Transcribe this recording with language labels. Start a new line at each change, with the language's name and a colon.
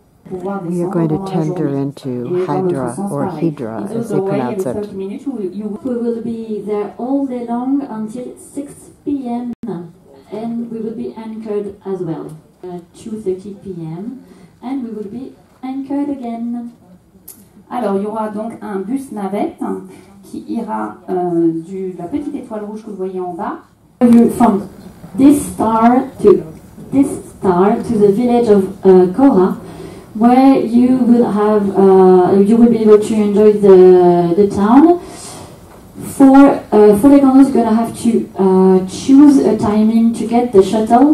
English: You're going to tender into Hydra or Hydra, as they pronounce it. We will be there all day long until 6 p.m. and we will be anchored as well at 2:30 p.m. and we will be anchored again.
French: Alors, il y aura donc un bus navette qui ira de la petite étoile rouge que vous voyez en bas.
English: From this star to the village of Cora. Where you will have, you will be able to enjoy the town. For the gondolas, you're gonna have to choose a timing to get the shuttle.